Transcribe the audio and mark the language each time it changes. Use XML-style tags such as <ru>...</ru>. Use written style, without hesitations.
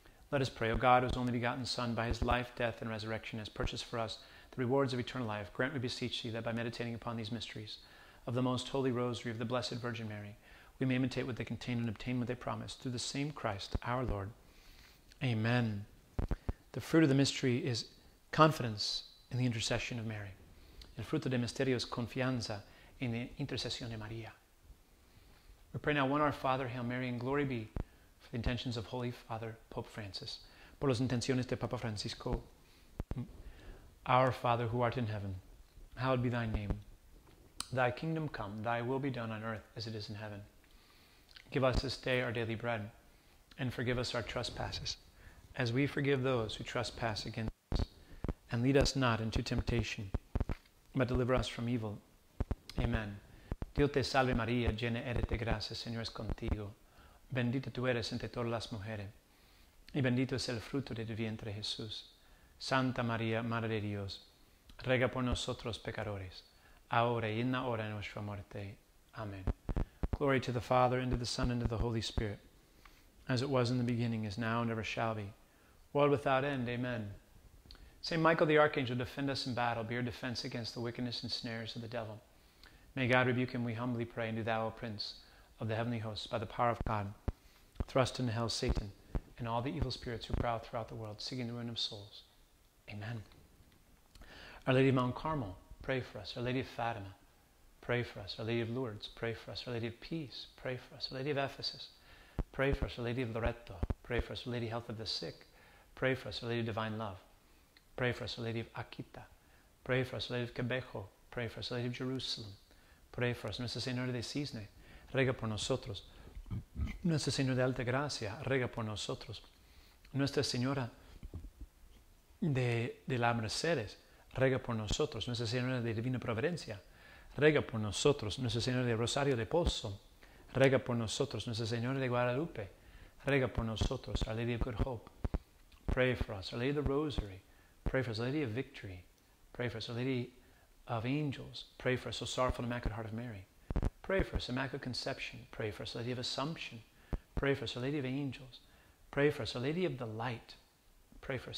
<en>Let us pray, O God, whose only begotten Son, by his life, death, and resurrection, has purchased for us rewards of eternal life, grant we beseech thee that by meditating upon these mysteries of the most holy rosary of the Blessed Virgin Mary, we may imitate what they contain and obtain what they promise through the same Christ, our Lord. Amen. The fruit of the mystery is confidence in the intercession of Mary.</en> <es>El fruto del misterio es confianza en la intercesión de María.</es> <en>We pray now, one our Father, Hail Mary, and glory be for the intentions of Holy Father, Pope Francis.</en> <es>Por las intenciones de Papa Francisco.</es> <en>Our Father, who art in heaven, hallowed be thy name. Thy kingdom come, thy will be done on earth as it is in heaven. Give us this day our daily bread, and forgive us our trespasses, as we forgive those who trespass against us. And lead us not into temptation, but deliver us from evil. Amen.</en> <es>Dios te salve, María, llena eres de gracia, Señor es contigo. Bendita tú eres entre todas las mujeres, y bendito es el fruto de tu vientre, Jesús. Santa María, Madre de Dios, ruega por nosotros pecadores, ahora y en la hora de nuestra muerte. Amen.</es> <en>Glory to the Father, and to the Son, and to the Holy Spirit, as it was in the beginning, is now, and ever shall be, world without end. Amen. Saint Michael the Archangel, defend us in battle, be our defense against the wickedness and snares of the devil. May God rebuke him, we humbly pray, and do thou, O Prince of the heavenly hosts, by the power of God, thrust into hell Satan and all the evil spirits who prowl throughout the world, seeking the ruin of souls. Amen. Our Lady of Mount Carmel, pray for us. Our Lady of Fatima, pray for us. Our Lady of Lourdes, pray for us. Our Lady of Peace, pray for us. Our Lady of Ephesus, pray for us. Our Lady of Loreto, pray for us. Our Lady of Health of the Sick, pray for us. Our Lady of Divine Love, pray for us. Our Lady of Akita, pray for us. Our Lady of Quebejo, pray for us. Our Lady of Jerusalem, pray for us.</en> <es>Nuestra Señora de Cisne, rega por nosotros. Nuestra Señora de Alta Gracia, rega por nosotros. Nuestra Señora de la Mercedes, rega por nosotros. Nuestra Señora de Divina Providencia, rega por nosotros. Nuestra Señora de Rosario de Pozo, rega por nosotros. Nuestra Señora de Guadalupe, rega por nosotros.</es> <en>Our Lady of Good Hope, pray for us. Our Lady of the Rosary, pray for us. Our Lady of Victory, pray for us. Our Lady of Angels, pray for us. O sorrowful and Immaculate Heart of Mary, pray for us. Immaculate Conception, pray for us. Our Lady of Assumption, pray for us. Our Lady of Angels, pray for us. Our Lady of the Light, pray for us.</en>